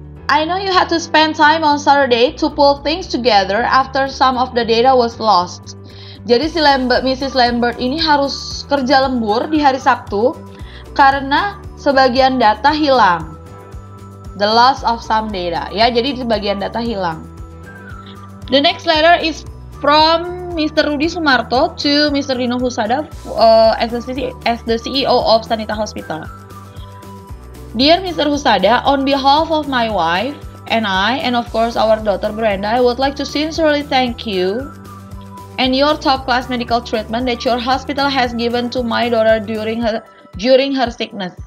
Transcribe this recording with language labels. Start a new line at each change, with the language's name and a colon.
English: I know you had to spend time on Saturday to pull things together after some of the data was lost.
Indonesian: Jadi si Lambert, Mrs. Lambert ini harus kerja lembur di hari Sabtu karena sebagian data hilang.
English: The loss of some data.
Indonesian: Ya, jadi sebagian data hilang.
English: The next letter is from Mr. Rudy Sumarto to Mr. Rino Husada as the CEO of Sanita Hospital. Dear Mr. Husada, on behalf of my wife and I, and of course our daughter Brenda, I would like to sincerely thank you and your top-class medical treatment that your hospital has given to my daughter during her sickness.